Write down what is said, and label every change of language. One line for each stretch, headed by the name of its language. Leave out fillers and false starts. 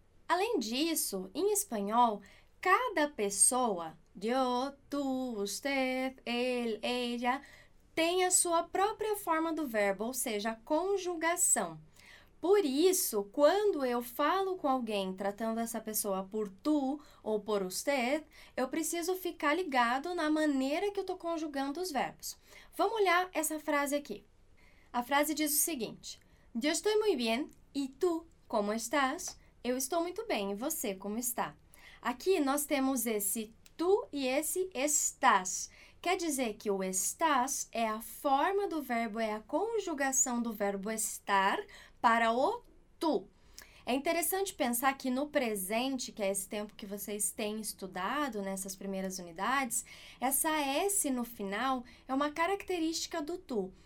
Portuguese: Além disso, em espanhol, cada pessoa, yo, tu, usted, él, ella, tem a sua própria forma do verbo, ou seja, a conjugação. Por isso, quando eu falo com alguém tratando essa pessoa por tu ou por usted, eu preciso ficar ligado na maneira que eu estou conjugando os verbos. Vamos olhar essa frase aqui. A frase diz o seguinte:
Spanish: Yo estoy muy bien, y tú, ¿cómo estás?
Portuguese: Eu estou muito bem, e você, como está? Aqui nós temos esse tu e esse estás. Quer dizer que o estás é a forma do verbo, é a conjugação do verbo estar para o tu. É interessante pensar que no presente, que é esse tempo que vocês têm estudado nessas primeiras unidades, essa S no final é uma característica do tu.